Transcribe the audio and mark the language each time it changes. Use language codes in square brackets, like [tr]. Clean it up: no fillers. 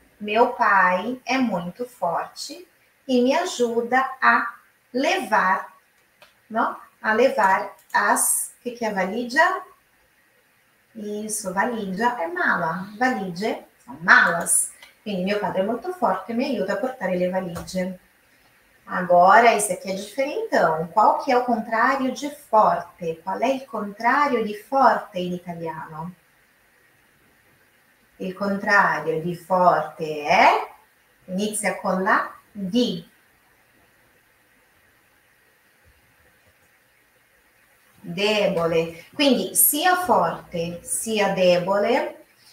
[it] Mio [pt] pai [it] è molto forte e mi aiuta [pt] a levar, [it] no? [pt] A levar as, [it] che è valigia? [pt] Isso, valigia è mala. [it] Valigie sono malas. Quindi mio padre è molto forte e mi aiuta a portare le valigie. [pt] Agora, esse aqui é diferentão. Qual que é o contrário de forte? [it] Qual è il contrario di forte in italiano? Il contrario di forte è... Inizia con la D. Debole. Quindi sia forte sia debole